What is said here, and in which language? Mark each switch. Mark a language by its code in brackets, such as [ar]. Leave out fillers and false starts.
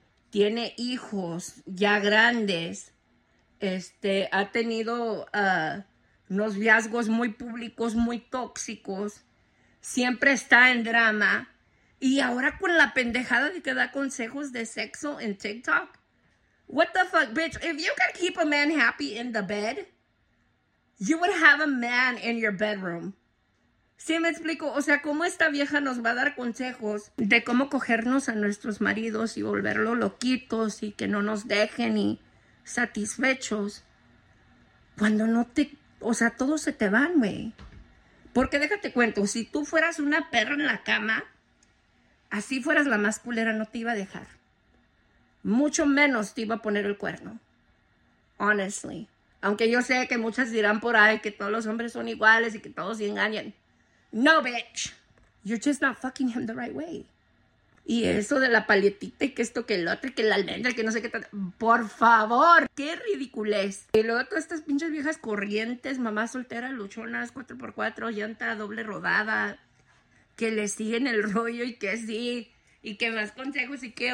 [es] Tiene hijos ya grandes. Ha tenido noviazgos muy públicos, muy tóxicos. Siempre está en drama. Y ahora con la pendejada de que da consejos de sexo en TikTok. [en] What the fuck, bitch? If you can keep a man happy in the bed, you would have a man in your bedroom. [es] ¿Sí me explico? O sea, ¿cómo esta vieja nos va a dar consejos de cómo cogernos a nuestros maridos y volverlo loquitos y que no nos dejen y satisfechos cuando no te, o sea, todos se te van, güey? Porque déjate cuento, si tú fueras una perra en la cama, así fueras la más culera, no te iba a dejar, mucho menos te iba a poner el cuerno, [en] honestly. [es] Aunque yo sé que muchas dirán por ahí que todos los hombres son iguales y que todos se engañan. [en] No, bitch, you're just not fucking him the right way. [es] Y eso de la paletita y que esto que el otro y que la almendra y que no sé qué tal. ¡Por favor! ¡Qué ridiculez! Y luego todas estas pinches viejas corrientes, mamás solteras, luchonas, 4x4, llanta doble rodada, que le siguen el rollo y que sí, y que más consejos y que...